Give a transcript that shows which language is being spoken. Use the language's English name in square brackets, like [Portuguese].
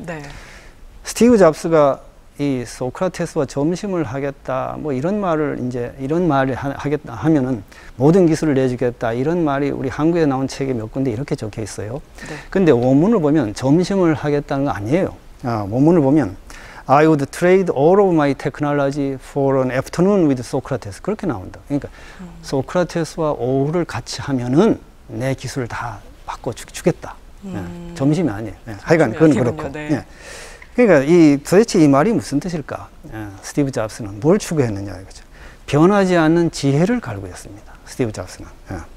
[Korean] 네. 스티브 잡스가 이 소크라테스와 점심을 하겠다, 뭐 이런 말을 이제, 이런 말을 하겠다 하면은 모든 기술을 내주겠다, 이런 말이 우리 한국에 나온 책에 몇 군데 이렇게 적혀 있어요. 네. 근데 원문을 보면 점심을 하겠다는 거 아니에요. 원문을 보면 [English] I would trade all of my technology for an afternoon with Socrates. [Korean] 그렇게 나온다. 그러니까 소크라테스와 오후를 같이 하면은 내 기술을 다 바꿔주겠다. 네. 점심이 아니에요. 네. 하여간 그건 그렇고. 네. 네. 그러니까 이 도대체 이 말이 무슨 뜻일까? 예, 스티브 잡스는 뭘 추구했느냐 이거죠. 변하지 않는 지혜를 갈구했습니다. 스티브 잡스는 예.